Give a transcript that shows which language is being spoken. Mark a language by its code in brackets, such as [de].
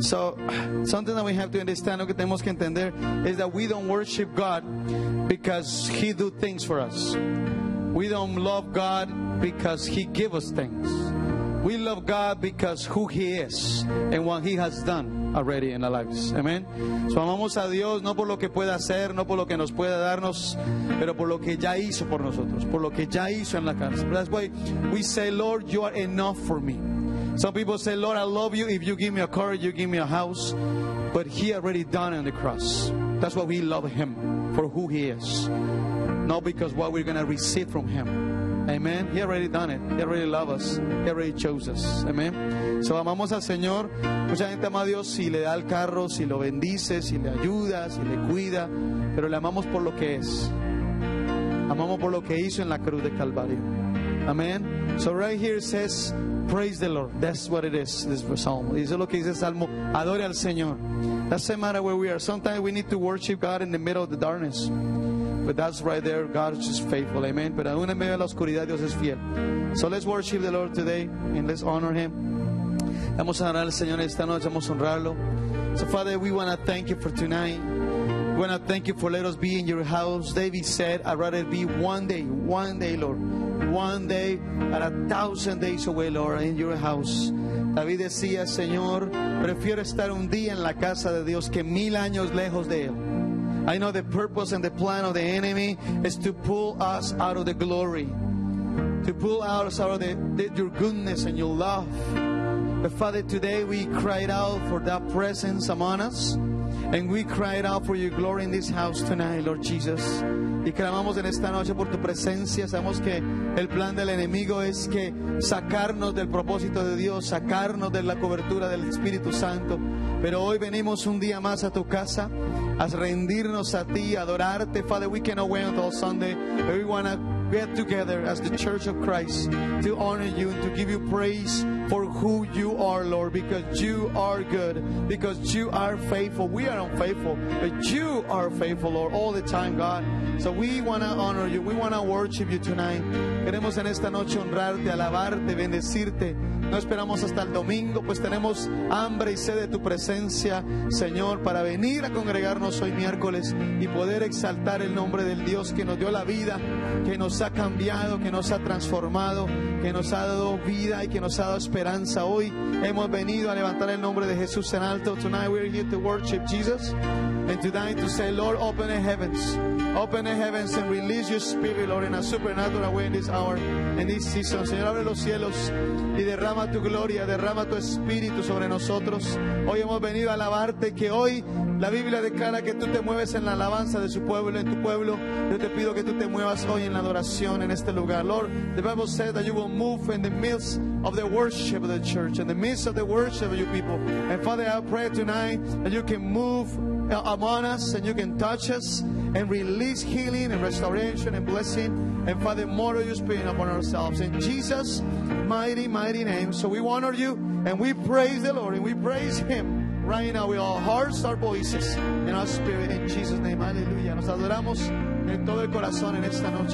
[en] So, something that we have to understand, [es] lo que tenemos que entender, [en] is that we don't worship God because He do things for us. We don't love God because He give us things. We love God because who He is and what He has done already in our lives. Amen. [es] So, amamos a Dios no por lo que pueda hacer, no por lo que nos pueda darnos, pero por lo que ya hizo por nosotros, por lo que ya hizo en la casa. [en] That's why we say, Lord, You are enough for me. Some people say, Lord, I love You. If You give me a car, You give me a house. But He already done it on the cross. That's why we love Him for who He is. Not because what we're going to receive from Him. Amen. He already done it. He already loved us. He already chose us. Amen. [es] So, amamos al Señor. Mucha gente ama a Dios si le da el carro, si lo bendice, si le ayuda, si le cuida. Pero le amamos por lo que es. Amamos por lo que hizo en la cruz de Calvario. Amen. [en] So, right here it says, praise the Lord. That's what it is, this psalm. [es] Eso es lo que dice el Salmo. Adore al Señor. [en] That's the matter where we are. Sometimes we need to worship God in the middle of the darkness. But that's right there. God is just faithful. Amen. [es] Pero aún en medio de la oscuridad, Dios es fiel. [en] So let's worship the Lord today and let's honor Him. [es] Vamos a honrar al Señor esta noche. Vamos a honrarlo. [en] So, Father, we want to thank You for tonight. We want to thank You for letting us be in Your house. David said, I'd rather be one day, Lord. One day, at 1,000 days away, Lord, in Your house. David decía, Señor, prefiero estar un día en la casa de Dios que 1,000 años lejos de Él. I know the purpose and the plan of the enemy is to pull us out of the glory. To pull us out of Your goodness and Your love. But Father, today we cried out for that presence among us. And we cried out for Your glory in this house tonight, Lord Jesus. [es] Y clamamos en esta noche por Tu presencia. Sabemos que el plan del enemigo es que sacarnos del propósito de Dios, sacarnos de la cobertura del Espíritu Santo. Pero hoy venimos un día más a Tu casa, a rendirnos a Ti, a adorarte. [en] Father, we cannot wait until Sunday. But we want to get together as the Church of Christ to honor You and to give You praise for who You are, Lord, because You are good, because You are faithful. We are unfaithful, but You are faithful, Lord, all the time, God. So we want to honor You. We want to worship You tonight. [es] Queremos en esta noche honrarte, alabarte, bendecirte. No esperamos hasta el domingo, pues tenemos hambre y sed de Tu presencia, Señor, para venir a congregarnos hoy miércoles y poder exaltar el nombre del Dios que nos dio la vida, que nos ha cambiado, que nos ha transformado, que nos ha dado vida y que nos ha dado esperanza. Hoy hemos venido a levantar el nombre de Jesús en alto. [en] Tonight we are here to worship Jesus and tonight to say, Lord, open the heavens. Open the heavens and release Your Spirit, Lord, in a supernatural way in this hour, in this season. [es] Señor, abre los cielos y derrama Tu gloria, derrama Tu Espíritu sobre nosotros. Hoy hemos venido a alabarte, que hoy la Biblia declara que Tú te mueves en la alabanza de Su pueblo, en Tu pueblo. Yo te pido que Tú te muevas hoy en la adoración en este lugar. [en] Lord, the Bible said that You will move in the midst of the worship of the church, in the midst of the worship of Your people. And Father, I pray tonight that You can move among us and You can touch us and release healing and restoration and blessing. And Father, more of Your Spirit upon ourselves. In Jesus' mighty, mighty name. So we honor You and we praise the Lord and we praise Him right now with our hearts, our voices, and our spirit. In Jesus' name, hallelujah. [es] Nos adoramos en todo el corazón en esta noche.